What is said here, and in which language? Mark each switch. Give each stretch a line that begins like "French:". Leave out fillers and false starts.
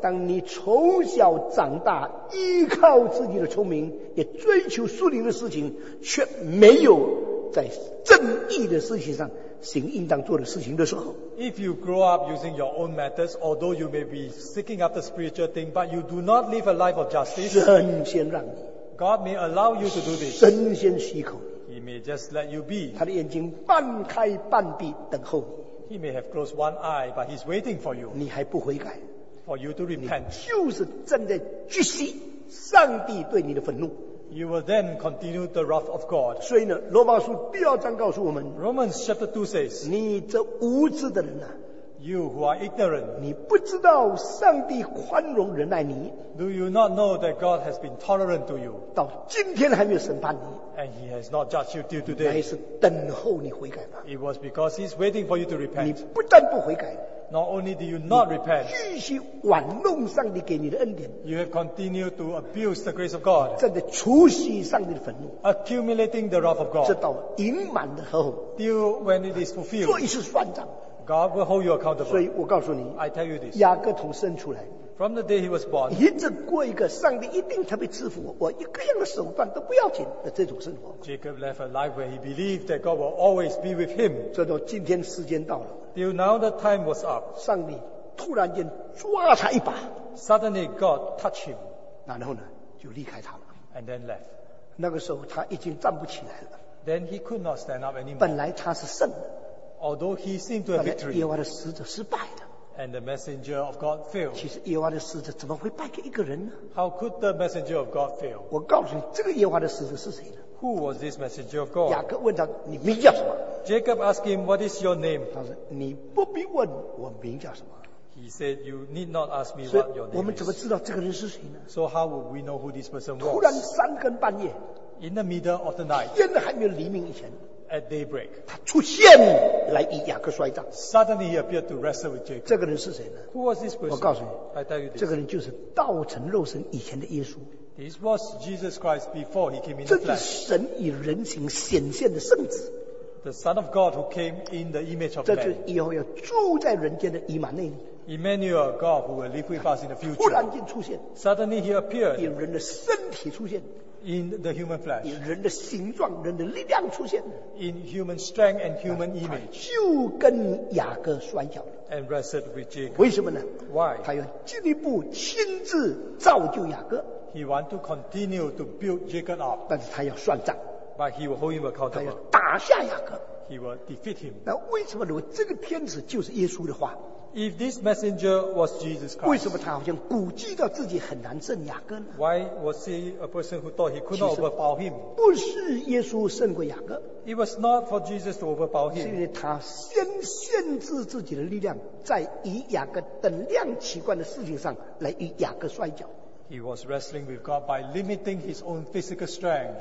Chinese: 当你从小长大，依靠自己的聪明，也追求属灵的事情，却没有在正义的事情上行应当做的事情的时候。
English: If you grow up using your own methods, although you may be seeking after spiritual thing, but you do not live a life of justice,
Chinese: 神先让你。
English: God may allow you to do this.
Chinese: 神先许可。
English: He may just let you be.
Chinese: 他的眼睛半开半闭等候你。
English: He may have closed one eye, but he's waiting for you.
Chinese: 你还不悔改。
English: For you to repent.
Chinese: 你就是正在聚集上帝对你的愤怒。
English: You will then continue the wrath of God.
Chinese: 所以呢，罗马书第二章告诉我们。
English: Romans chapter 2 says,
Chinese: 你这无知的人啊，
English: You who are ignorant,
Chinese: 你不知道上帝宽容忍耐你。
English: Do you not know that God has been tolerant to you?
Chinese: 到今天还没有审判你。
English: And he has not judged you till today.
Chinese: 乃是等候你悔改吧。
English: It was because he's waiting for you to repent.
Chinese: 你不但不悔改。
English: Not only do you not repent,
Chinese: 继续玩弄上帝给你的恩典。
English: You have continued to abuse the grace of God.
Chinese: 正在除去上帝的愤怒。
English: Accumulating the wrath of God.
Chinese: 直到盈满的时候。
English: Till when it is fulfilled.
Chinese: 做一次算账。
English: God will hold you accountable.
Chinese: 所以我告诉你，
English: I tell you this,
Chinese: 雅各从生出来，
English: from the day he was born,
Chinese: 一直过一个上帝一定特别赐福我，我一个样的手段都不要紧的这种生活。
English: Jacob left a life where he believed that God will always be with him.
Chinese: 直到今天时间到了，
English: till now the time was up,
Chinese: 上帝突然间抓他一把，
English: suddenly God touched him,
Chinese: 然后呢就离开他了，
English: and then left.
Chinese: 那个时候他已经站不起来了，
English: then he could not stand up anymore.
Chinese: 本来他是胜的。
English: Although he seemed to have victory,
Chinese: 耶和华的使者失败的。
English: And the messenger of God failed.
Chinese: 其实耶和华的使者怎么会败给一个人呢？
English: How could the messenger of God fail?
Chinese: 我告诉你，这个耶和华的使者是谁呢？
English: Who was this messenger of God?
Chinese: 雅各问他，你名叫什么？
English: Jacob asked him, what is your name?
Chinese: 他说，你不必问我名叫什么。
English: He said, you need not ask me what your name is.
Chinese: 我们怎么知道这个人是谁呢？
English: So how would we know who this person was?
Chinese: 突然三更半夜，
English: in the middle of the night,
Chinese: 天还没有黎明以前。
English: At daybreak,
Chinese: 他出现来与雅各摔仗。
English: Suddenly he appeared to wrestle with Jacob.
Chinese: 这个人是谁呢？
English: Who was this person?
Chinese: 我告诉你，
English: I tell you this.
Chinese: 这个人就是道成肉身以前的耶稣。
English: This was Jesus Christ before he came in the flesh.
Chinese: 这是神以人形显现的圣子。
English: The Son of God who came in the image of man.
Chinese: 这就是以后要住在人间的以马内利。
English: Emmanuel, God who will live with us in the future.
Chinese: 突然间出现。
English: Suddenly he appeared.
Chinese: 以人的身体出现。
English: In the human flesh,
Chinese: 以人的形状、人的力量出现。
English: In human strength and human image,
Chinese: 就跟雅各摔跤了。
English: And wrestled with Jacob.
Chinese: 为什么呢？
English: Why?
Chinese: 他要进一步亲自造就雅各。
English: He want to continue to build Jacob up.
Chinese: 但是他要算账。
English: But he will hold him accountable.
Chinese: 他要打下雅各。
English: He will defeat him.
Chinese: 那为什么呢？这个天使就是耶稣的话。
English: If this messenger was Jesus Christ,
Chinese: 为什么他好像估计到自己很难胜雅各呢？
English: Why was he a person who thought he could not overpower him?
Chinese: 不是耶稣胜过雅各。
English: It was not for Jesus to overpower him.
Chinese: 是因为他先限制自己的力量，在与雅各等量齐观的事情上来与雅各摔跤。
English: He was wrestling with God by limiting his own physical strength.